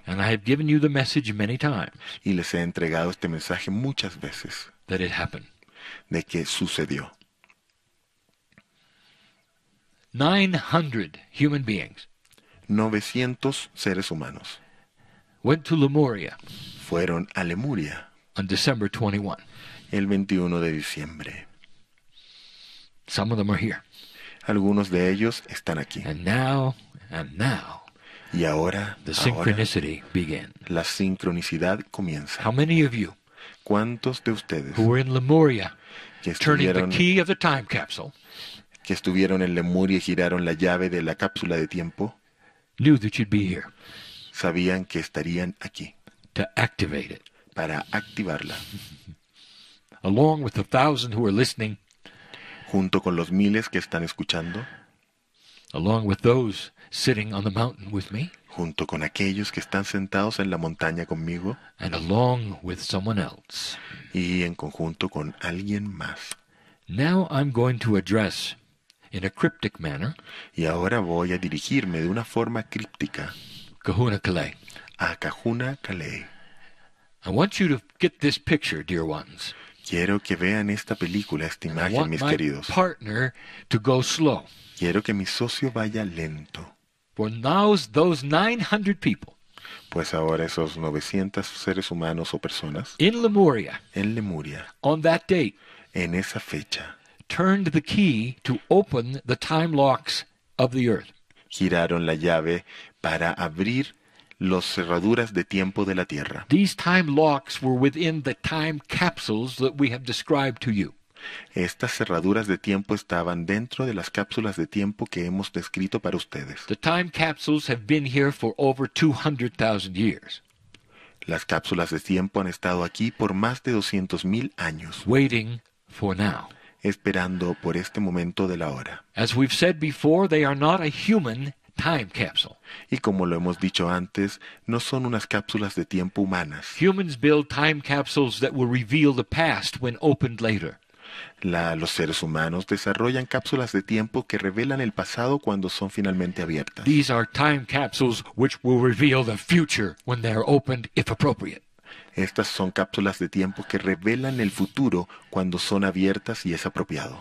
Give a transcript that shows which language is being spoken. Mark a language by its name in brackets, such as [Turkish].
[English] And I have given you the message many times. [Spanish] Y les he entregado este mensaje muchas veces. [English] That it happened. [Spanish] De que sucedió. [English] 900 human beings. [Spanish] 900 seres humanos. [English] Went to Lemuria. [Spanish] Fueron a Lemuria. [English] On December 21. [Spanish] El 21 de diciembre. [English] Some of them are here. [Spanish] Algunos de ellos están aquí. [English] And now. [Spanish] Y ahora, [English] the synchronicity begins. [Spanish] La sincronicidad comienza. [English] How many of you? [Spanish] ¿Cuántos de ustedes? [English] Who were in Lemuria? [Spanish] Que estuvieron, [English] turning the key of the time capsule. [Spanish] Que estuvieron en Lemuria y giraron la llave de la cápsula de tiempo. [English] Knew that you'd be here. [Spanish] Sabían que estarían aquí. [English] To activate it. [Spanish] Para activarla. [English] Along with the thousand who are listening. [Spanish] Junto con los miles que están escuchando. [English] Along with those sitting on the mountain with me. [Spanish] Junto con aquellos que están sentados en la montaña conmigo. [English] And along with someone else. [Spanish] Y en conjunto con alguien más. [English] Now I'm going to address in a cryptic manner. [Spanish] Y ahora voy a dirigirme de una forma críptica. [English] Kahuna Kalei. [Spanish] A Kahuna Kalei. [English] I want you to get this picture, dear ones. [Spanish] Quiero que vean esta película, esta imagen, mis queridos. [English] I want my partner to go slow. [Spanish] Quiero que mi socio vaya lento. [English] For now, those 900 people. [Spanish] Pues ahora esos 900 seres humanos o personas. [English] In Lemuria. [Spanish] En Lemuria. [English] On that date. [Spanish] En esa fecha. [English] Turned the key to open the time locks of the earth. [Spanish] Giraron la llave para abrir las cerraduras de tiempo de la tierra. [English] These time locks were within the time capsules that we have described to you. [Spanish] Estas cerraduras de tiempo estaban dentro de las cápsulas de tiempo que hemos descrito para ustedes. [English] The time capsules have been here for over 200,000 years. [Spanish] Las cápsulas de tiempo han estado aquí por más de 200,000 años. [English] Waiting for now. [Spanish] Esperando por este momento de la hora. [English] As we've said before, they are not a human time capsule. [Spanish] Y como lo hemos dicho antes, no son unas cápsulas de tiempo humanas. [English] Humans build time capsules that will reveal the past when opened later. [Spanish] Los seres humanos desarrollan cápsulas de tiempo que revelan el pasado cuando son finalmente abiertas. [English] These are time capsules which will reveal the future when they are opened, if appropriate. [Spanish] Estas son cápsulas de tiempo que revelan el futuro cuando son abiertas y es apropiado.